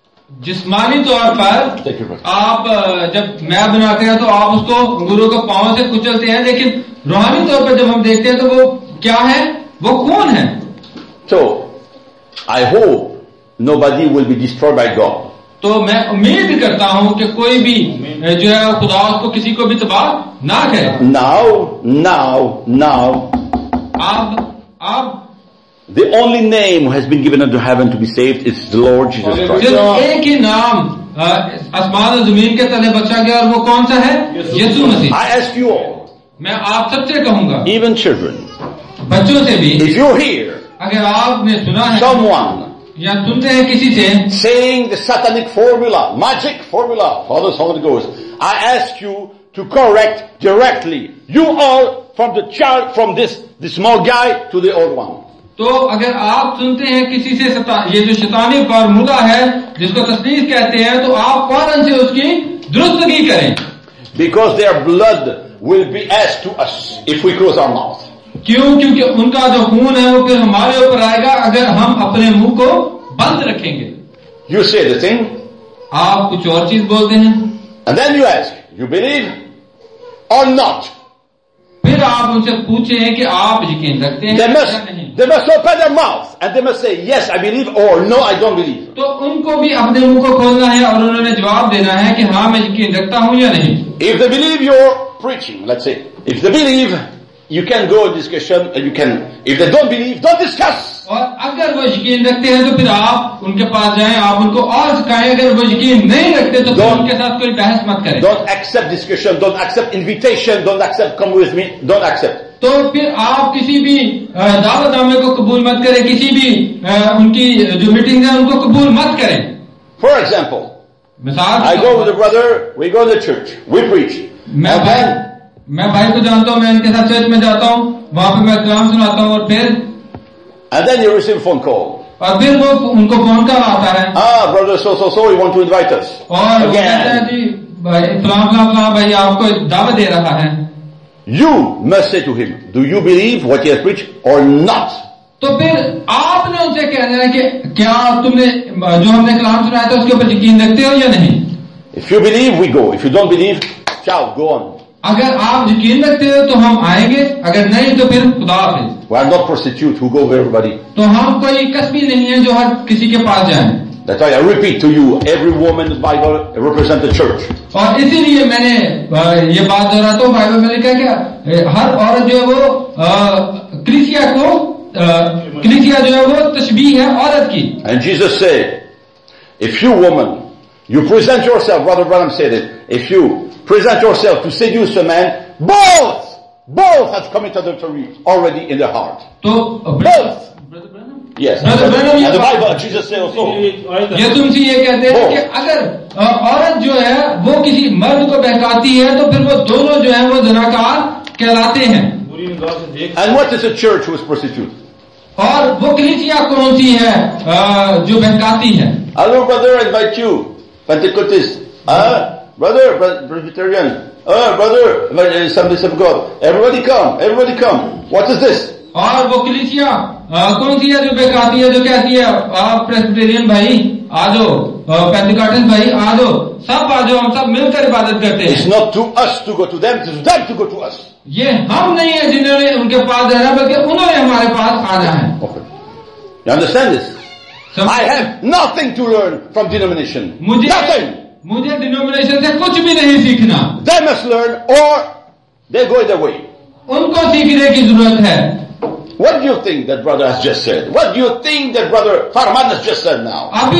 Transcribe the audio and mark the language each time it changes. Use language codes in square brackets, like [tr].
[hi] जिस्मानी तौर पर आप जब मैं बनाते हैं तो आप उसको गुरु के पांव से कुचलते हैं लेकिन रूहानी तौर पर जब हम देखते हैं तो वो क्या है वो कौन है. [en] तो I hope nobody will be destroyed by God. [hi] तो मैं उम्मीद करता हूं कि कोई भी जो है खुदा उसको किसी को भी तबाह ना करे. [en] now now now [hi] आप [en] The only name who has been given unto heaven to be saved is the Lord Jesus Christ. [hi] जो एक ही नाम आसमान और जमीन के तले बचा गया और वो कौन सा है. यीशु मसीह. [en] I ask you all. [hi] मैं आप सबसे कहूंगा. [en] Even children. [hi] बच्चों से भी. [en] If you hear. [hi] अगर आपने सुना है. [en] Someone. [hi] या सुनते हैं किसी से. [en] Saying the satanic formula, magic formula, Father, Son, and Ghost. I ask you to correct directly. You all from the child, from this small guy to the old one. [hi] तो अगर आप सुनते हैं किसी से ये जो शैतानी फार्मूला है जिसको तस्दीक कहते हैं तो आप फौरन से उसकी दुरुस्तगी करें. [en] Because their blood will be as to us if we close our mouth. [hi] क्यों. क्योंकि उनका जो खून है वो फिर हमारे ऊपर आएगा अगर हम अपने मुंह को बंद रखेंगे. [en] You say the thing. [hi] आप कुछ और चीज बोलते हैं. [en] And then you ask you believe or not. [hi] फिर आप उनसे पूछें कि आप यकीन रखते हैं. [en] They must open their mouth and they must say yes I believe or no I don't believe. [hi] तो उनको भी अपने मुंह को खोलना है और उन्होंने जवाब देना है कि हाँ मैं यकीन रखता हूँ या नहीं. [en] If they believe your preaching, let's say, if they believe, you can go and discussion and you can. If they don't believe, don't discuss. [hi] और अगर वो यकीन रखते हैं तो फिर आप उनके पास जाएं आप उनको और सिखाएं. अगर वो यकीन नहीं रखते तो फिर उनके साथ कोई बहस मत करें. Don't accept discussion, don't accept invitation, don't accept come with me, don't accept. तो फिर आप किसी भी दावत नामे को कबूल मत करें. किसी भी उनकी जो मीटिंग है उनको कबूल मत करें. [en] for example [hi] मिसाल [en] I go with a brother we go the church we preach. [hi] मैं भाई को जानता हूं मैं उनके साथ चर्च में जाता हूं वहां पर मैं कलाम सुनाता हूं और फिर [en] And then you receive phone call. [hi] और फिर वो उनको फोन कॉल आता है. [en] हां brother so so so you want to invite us [hi] और कहते हैं जी भाई भाई आपको दावत दे रहा है. [en] You must say to him, do you believe what he has preached or not? [hi] तो फिर आपने उनसे कहना है कि क्या तुमने जो हमने कलाम सुनाया था उसके ऊपर यकीन रखते हो या नहीं. [en] If you believe, we go. If you don't believe, ciao, go on. [hi] अगर आप यकीन रखते हो तो हम आएंगे, अगर नहीं तो फिर खुदा हाफिज। [en] We are not prostitute who go to everybody. [hi] तो हम कोई कस्बी नहीं है जो हर किसी के पास जाए। [en] That's why I repeat to you, every woman in the Bible represents the church. [hi] और इसीलिए मैंने ये बात दोहराता हूँ, बाइबल में लिखा क्या, हर औरत जो है वो कलीसिया को, कलीसिया जो है वो तस्बीह है औरत की। [en] And Jesus said, if you woman, you present yourself, Brother Branham said it, if you present yourself to seduce a man, both have committed adultery already in their heart. [hi] तो [en] both. Yes, and the Bible, Jesus said also. [hi] ये तुमसे ये कहते हैं कि अगर औरत जो है वो किसी मर्द को बहकाती है तो फिर वो दोनों जो है वो जनाकार कहलाते हैं। [en] And what is a church who is prostitute? [hi] और वो कलीसिया कौन सी है जो बहकाती है? [en] Hello, brother, I invite you, Pentecostist. Brother, Presbyterian. Brother, Assemblies of God. Everybody come. What is this? [hi] और वो कलीसिया कौन सी है जो बेकाती है, जो कहती है आप प्रेस्बिटेरियन भाई आ जाओ, पेंटिकॉस्टल भाई आ जाओ, सब आ जाओ, हम सब मिलकर इबादत करते हैं। [en] It's not to us to go to them, it's them to go to us. [hi] ये हम नहीं है जिन्होंने उनके पास जाना, बल्कि उन्होंने हमारे पास आना है। [en] You understand this? I have nothing to learn from denomination. [hi] मुझे डिनोमिनेशन से कुछ भी नहीं सीखना। [en] They must learn or they go their way. [hi] उनको सीखने की जरूरत है। [en] What do you think that brother has just said? What do you think that brother Farman has just said now?